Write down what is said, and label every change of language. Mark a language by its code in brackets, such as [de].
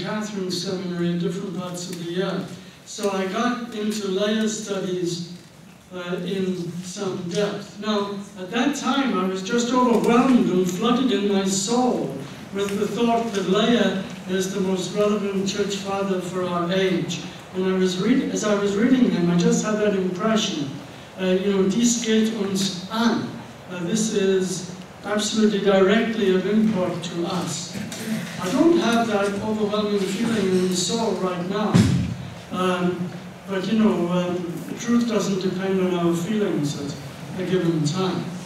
[en] Catherine's Seminary in different parts of the year. So I got into Loehe studies in some depth. Now, at that time, I was just overwhelmed and flooded in my soul with the thought that Loehe is the most relevant church father for our age. And I was reading him, I just had that impression. You know, [de] dies geht uns an. [en] This is absolutely directly of import to us. I don't have that overwhelming feeling in the soul right now. But you know, truth doesn't depend on our feelings at a given time.